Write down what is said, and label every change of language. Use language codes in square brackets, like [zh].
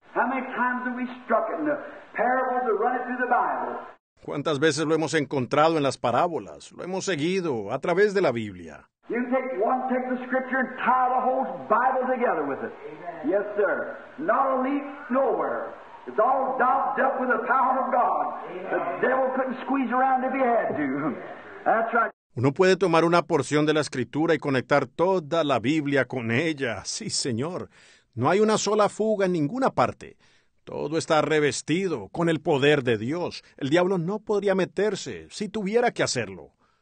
[en] How many times have we struck it in the parables or run it through the Bible? [es] ¿Cuántas veces lo hemos encontrado en las parábolas? Lo hemos seguido a través de la Biblia. [en] You take one text of scripture and tie the whole Bible together with it. Amen. Yes, sir. Not a leaf nowhere. It's all doped up with the power of God. The devil couldn't squeeze around if he had to. That's right. [es] Uno puede tomar una porción de la Escritura y conectar toda la Biblia con ella. Sí, Señor. No hay una sola fuga en ninguna parte. Todo está revestido con el poder de Dios. El diablo no podría meterse si tuviera que hacerlo.